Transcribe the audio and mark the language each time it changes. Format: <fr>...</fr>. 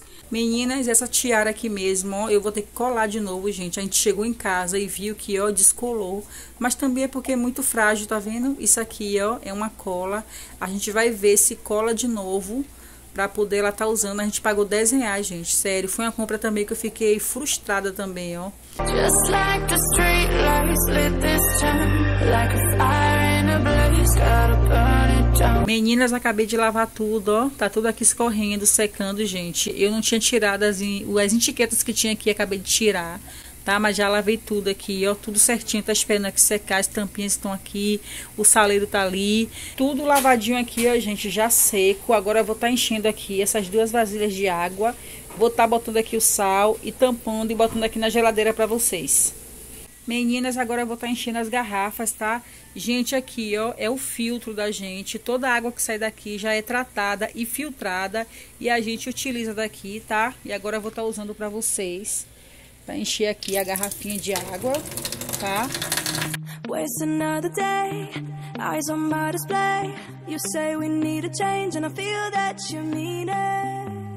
<pt>Meninas, essa tiara aqui mesmo, ó, eu vou ter que colar de novo, gente. A gente chegou em casa e viu que, ó, descolou. Mas também é porque é muito frágil, tá vendo? Isso aqui, ó, é uma cola. A gente vai ver se cola de novo. Pra poder ela tá usando, a gente pagou R$ 10, gente. Sério, foi uma compra também que eu fiquei frustrada também, ó.</pt> <en>Just like the street lights lit this time, like a fire in a blaze, gotta burn it down.</en> <pt>Meninas, acabei de lavar tudo, ó. Tá tudo aqui escorrendo, secando, gente. Eu não tinha tirado as etiquetas que tinha aqui, acabei de tirar. Tá, mas já lavei tudo aqui, ó, tudo certinho, tá esperando aqui secar, as tampinhas estão aqui, o saleiro tá ali, tudo lavadinho aqui, ó, gente, já seco. Agora eu vou tá enchendo aqui essas duas vasilhas de água, vou tá botando aqui o sal e tampando e botando aqui na geladeira pra vocês. Meninas, agora eu vou tá enchendo as garrafas, tá? Gente, aqui, ó, é o filtro da gente, toda a água que sai daqui já é tratada e filtrada e a gente utiliza daqui, tá? E agora eu vou tá usando pra vocês. Pra encher aqui a garrafinha de água, tá?</pt> <en>Waste another day, eyes on my display. You say we need a change, and I feel that you mean it.</en>